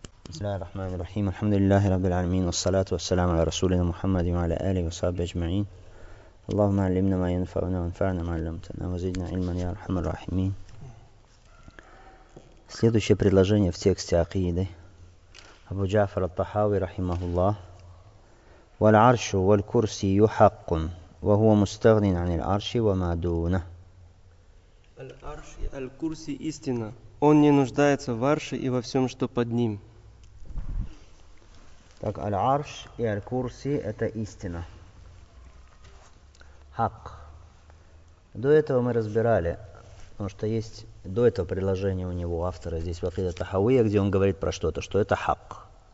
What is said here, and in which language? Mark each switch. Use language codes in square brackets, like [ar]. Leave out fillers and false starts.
[ar] بسم الله الرحمن الرحيم، الحمد لله رب العالمين، والصلاة والسلام على رسولنا محمد وعلى آله وصحبه أجمعين. اللهم علمنا ما ينفعنا وانفعنا ما علمتنا وزدنا علما يا أرحم الراحمين. [ru] Следующее предложение в тексте Акиды. Абу Джафар ат-Тахави رحمه الله. [ar] والعرش والكرسي حق وهو مستغن عن العرش وما دونه. العرش الكرسي [ru] истина. Он не нуждается в арше и во всем, что под ним. Так, аль-арш и аль-курси – это истина. Хак. До этого мы разбирали, потому что есть до этого предложение у него, автора, здесь в Акида Тахауя, где он говорит про что-то, что это хак.